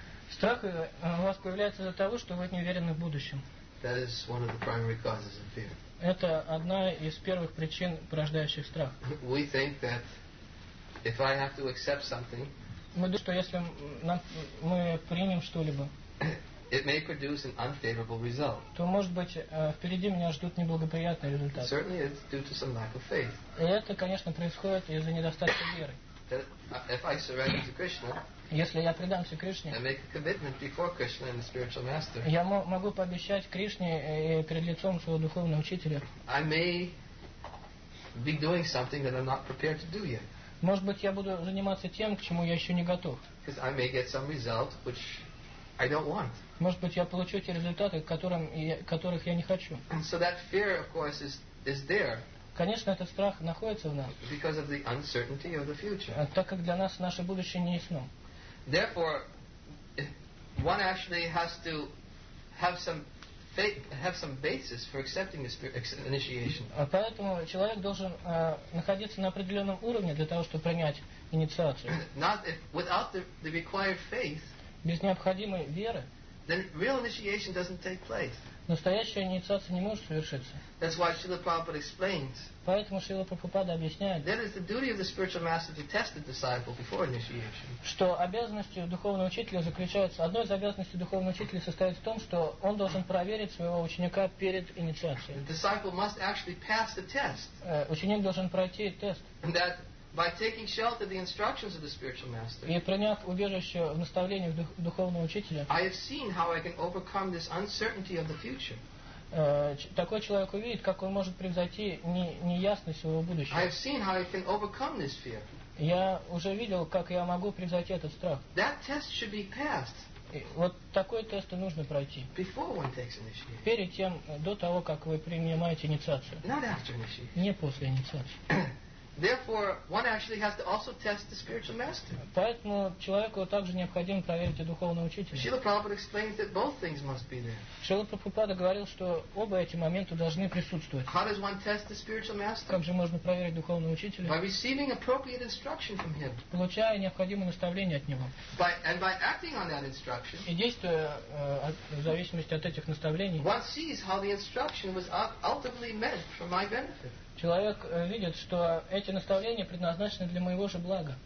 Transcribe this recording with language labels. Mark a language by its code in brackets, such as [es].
[ru] Страх у вас появляется из-за того, что вы не уверены в будущем. [en] That is one of the primary causes of fear. [ru] Это одна из первых причин, порождающих страх. [en] We think that if I have to accept something, [ru] мы думаем, что если мы примем что-либо, [en] it may produce an unfavorable result. [ru] То, может быть, впереди меня ждут неблагоприятные результаты. [en] Certainly it's due to some lack of faith. [ru] И это, конечно, происходит из-за недостатка веры. [en] If I surrender to Krishna, [ru] если я предамся Кришне, [en] and make a commitment before Krishna and the spiritual master, [ru] я могу пообещать Кришне перед лицом своего духовного учителя, [en] I may be doing something that I'm not prepared to do yet. [ru] Может быть, я буду заниматься тем, к чему я еще не готов. [en] Because I may get some result, which I don't want. [ru] Может быть, я получу те результаты, которых я не хочу. [en] And so that fear, of course, is there. [ru] Конечно, этот страх находится в нас. [en] Because of the uncertainty of the future. [ru] Так как для нас наше будущее не ясно. [en] Therefore, one actually has to have some faith, have some basis for accepting this initiation. [ru] Поэтому человек должен находиться на определенном уровне для того, чтобы принять инициацию. [en] Not if, without the required faith. [ru] Без необходимой веры. [en] Then real initiation doesn't take place. [ru] Настоящая инициация не может совершиться. [en] That's why Srila Prabhupada explains. [ru] Поэтому Шрила Прабхупада объясняет. [en] That is the duty of the spiritual master to test the disciple before initiation. [ru] Что обязанностью духовного учителя заключается, одной из обязанностей духовного учителя состоит в том, что он должен проверить своего ученика перед инициацией. [en] The disciple must actually pass the test. [ru] Ученик должен пройти тест. [en] And that by taking shelter of the instructions of the spiritual master. [ru] И приняв убежище в наставлениях духовного учителя. [en] I have seen how I can overcome this uncertainty of the future. [ru] Такой человек увидит, как он может превзойти неясность своего будущего. [en] I have seen how I can overcome this fear. [ru] Я уже видел, как я могу превзойти этот страх. [en] That test should be passed. [ru] Вот такой тест и нужно пройти. [en] Before one takes initiation. [ru] Перед тем, до того, как вы принимаете инициацию. [en] Not after initiation. [ru] Не после инициации. [en] Therefore, one actually has to also test the spiritual master. [ru] Поэтому человеку также необходимо проверить и духовного учителя. [en] Srila Prabhupada explains that both things must be there. [ru] Srila Prabhupada говорил, что оба эти момента должны присутствовать. [en] How does one test the spiritual master? [ru] Как же можно проверить духовного учителя? [en] By receiving appropriate instruction from him. [ru] Получая необходимое наставление от него. [en] By acting on that instruction. [ru] И действуя в зависимости от этих наставлений. [en] One sees how the instruction was ultimately meant for my benefit. [ru] Человек видит, что эти наставления предназначены для моего же блага.